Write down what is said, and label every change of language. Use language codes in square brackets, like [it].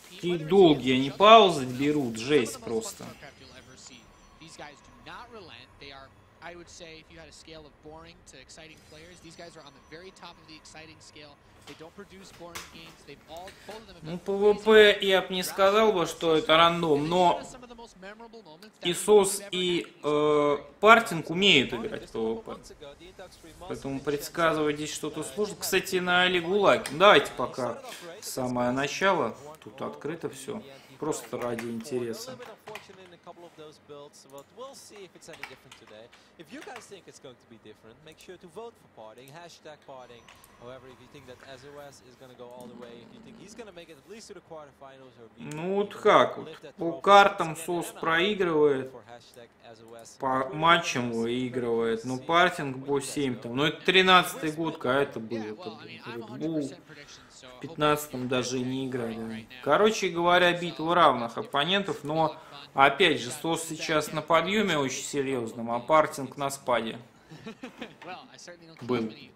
[ru] И долгие они паузы берут, жесть просто. [en] These guys do not relent. They are, I would say, if you had a scale of boring to exciting players, these guys are on the very top of the exciting scale. They don't produce boring games. They've all pulled them. [ru] Ну, PvP я бы не сказал бы, что это рандом, но ИСОС и Parting умеют играть в PvP. Поэтому предсказывать здесь что-то сложно. Кстати, на Лигу Лаки. Давайте пока самое начало. Тут открыто все. Просто ради интереса. [en] couple of those builds, but we'll see if it's any different today. If you guys think it's going to be different, make sure to vote for Parting, hashtag Parting. However, if you think that SOS is going to go all the way, if you think he's going to make it at least to the quarterfinals or beat... [ru] Ну вот как, вот по картам СОС проигрывает, по матчам выигрывает, но Parting бо 7 там, ну это 13-й год, когда это было, это Red Bull. В 15-м даже не играли. Короче говоря, битва равных оппонентов, но опять же, СОС сейчас на подъеме очень серьезном, а Parting на спаде был.